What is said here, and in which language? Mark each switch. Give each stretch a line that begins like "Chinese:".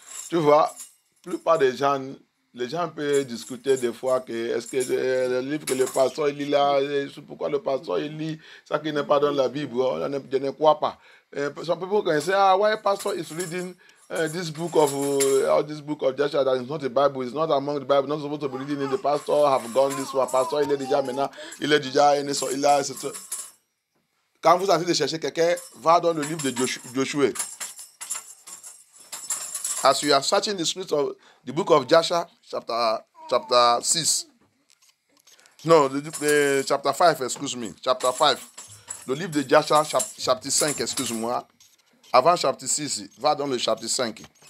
French: Tu vois, plupart des gens, les gens peuvent discuter des fois que est-ce que le livre que le pasteur lit là, pourquoi le pasteur il lit ça qui n'est pas dans la Bible, oh, je ne crois pas.
English: Et some people can say, ah, why pastor is reading this book of Joshua that is not the Bible, it's not among the Bible, not supposed to be reading it. The pastor have gone this way, pastor
French: il est déjà maintenant, il est déjà une sorte, il a etc. Quand vous avez de chercher quelqu'un, va dans le livre de Joshua.
English: As you are searching the script of the book of Joshua, chapter 5,
French: le livre de Joshua, chapitre 5, excuse-moi, avant chapitre 6, va dans le chapitre 5.